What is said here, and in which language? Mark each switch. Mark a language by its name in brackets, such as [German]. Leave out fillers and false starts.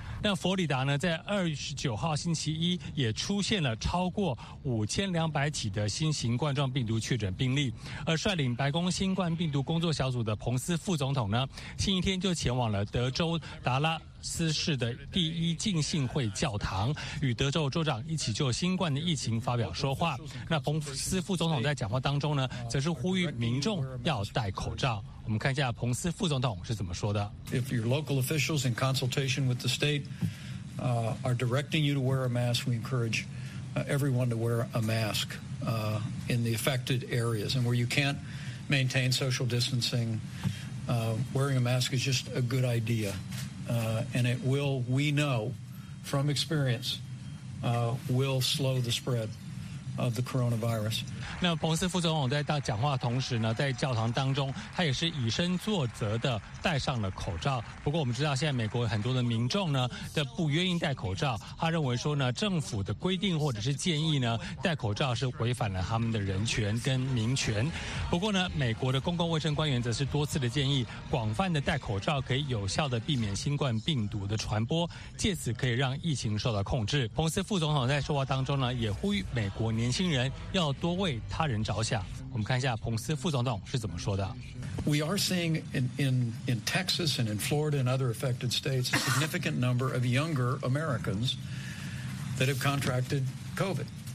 [Chinese] 那佛罗里达呢，在29号星期一也出现了超过5200起的新型冠状病毒确诊病例，而率领白宫新冠病毒工作小组的彭斯副总统呢，星期天就前往了德州达拉斯市的第一浸信会教堂，与德州州长一起就新冠的疫情发表说话。那彭斯副总统在讲话当中呢，则是呼吁民众要戴口罩。我们看一下彭斯副总统是怎么说的。 [English] If your local officials in consultation with the state, are directing you to wear a mask, we encourage, everyone to wear a mask, in the affected areas. And where you can't maintain social distancing, wearing a mask is just a good idea. And it will, we know from experience, will slow the spread of the coronavirus. [Chinese] 那彭斯副总统在讲话同时呢，在教堂当中，他也是以身作则的戴上了口罩。不过我们知道，现在美国很多的民众呢，都不愿意戴口罩。他认为说呢，政府的规定或者是建议呢，戴口罩是违反了他们的人权跟民权。不过呢，美国的公共卫生官员则是多次的建议，广泛的戴口罩可以有效的避免新冠病毒的传播，借此可以让疫情受到控制。彭斯副总统在说话当中呢，也呼吁美国年轻人要多为他人着想。我们看一下彭斯副总统是怎么说的。 [English] We are seeing in Texas and in Florida and other affected states a significant number of younger Americans that have contracted COVID.